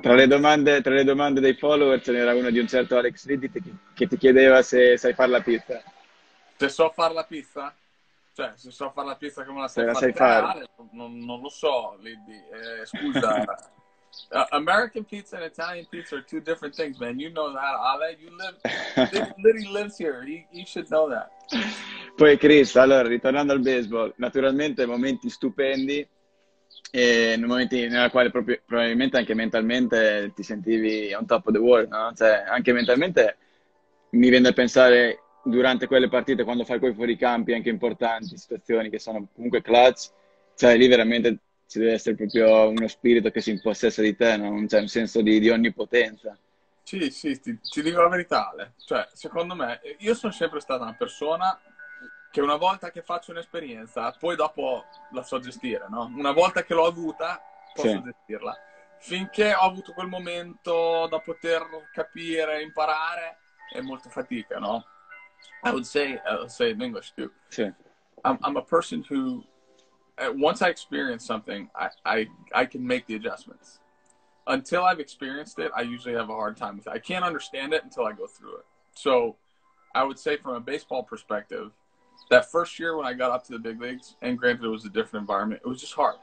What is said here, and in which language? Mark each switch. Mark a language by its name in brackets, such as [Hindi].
[Italian] tra le domande dei follower ce n'era una di un certo Alex Riddit che ti chiedeva se sai fare la pizza. Se so fare la pizza? Cioè, se so fare la pizza come la sai, fare? Non lo so, Liddy. Scusa. [English] American pizza and Italian pizza are two different things, man. You know that, Ale. Liddy lives here. He should know that. [Italian] Poi Chris, allora, ritornando al baseball, naturalmente momenti stupendi, e momenti nella quale proprio, probabilmente anche mentalmente ti sentivi [English] on top of the world, [Italian] no? Cioè, anche mentalmente mi viene a pensare durante quelle partite, quando fai quei fuoricampi anche importanti, situazioni che sono comunque clutch, cioè lì veramente ci deve essere proprio uno spirito che si impossessa di te, no? Cioè, un senso di onnipotenza. Sì, sì, ti dico la verità, Ale. Cioè, secondo me, io sono sempre stata una persona che una volta che faccio un'esperienza, poi dopo la so gestire, no? Una volta che l'ho avuta, posso sì. gestirla. Finché ho avuto quel momento da poter capire, imparare, è molta fatica, no? [English] I would say in English too. [Italian] Sì. [English] I'm a person who, once I experience something, I can make the adjustments. Until I've experienced it, I usually have a hard time with it. I can't understand it until I go through it. So I would say from a baseball perspective, that first year when I got up to the big leagues, and granted it was a different environment, it was just hard.